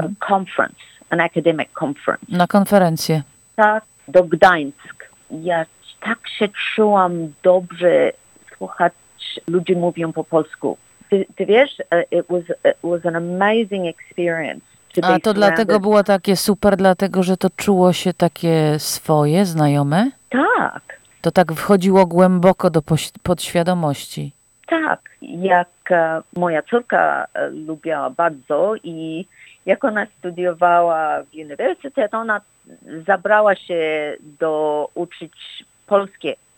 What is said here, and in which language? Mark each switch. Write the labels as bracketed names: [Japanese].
[English] Conference, an academic conference. [Polish] Na konferencję. Tak, do Gdańsk. Ja tak się czułam dobrze słuchać, ludzie mówią po polsku. Ty wiesz, [English] it was an amazing experience. [Polish] A to dlatego było takie super, dlatego że to czuło się takie swoje, znajome? Tak. To tak wchodziło głęboko do podświadomości. Tak, jak moja córka lubiła bardzo i jak ona studiowała w uniwersytecie, to ona zabrała się do uczyć polskie